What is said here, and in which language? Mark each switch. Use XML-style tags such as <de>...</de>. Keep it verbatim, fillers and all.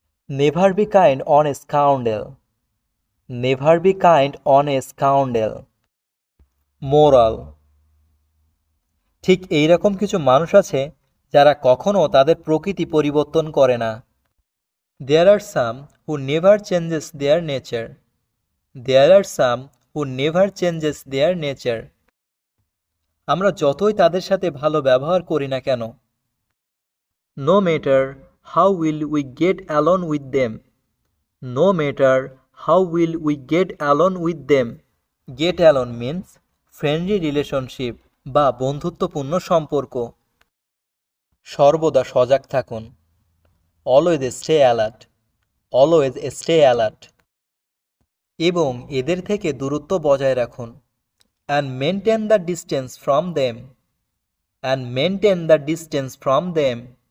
<en>Never be kind on a scoundrel. Never be kind on a scoundrel moral</en> <bn>ঠিক এই রকম কিছু মানুষ আছে যারা কখনো তাদের প্রকৃতি পরিবর্তন করে না।</bn> <en>There are some who never changes their nature. There are some who never changes their nature.</en> <bn>আমরা যতই তাদের সাথে ভালো ব্যবহার করি না কেন।</bn> <en>No matter how will we get along with them. No matter How will we get along with them? Get along means friendly relationship</en> <bn>বা বন্ধুত্বপূর্ণ সম্পর্ক। সর্বদা সজাগ থাকুন।</bn> <en>Always stay alert, always stay alert.</en> <bn>এবং এদের থেকে দূরত্ব বজায় রাখুন।</bn> <en>And maintain the distance from them, and maintain the distance from them.</en>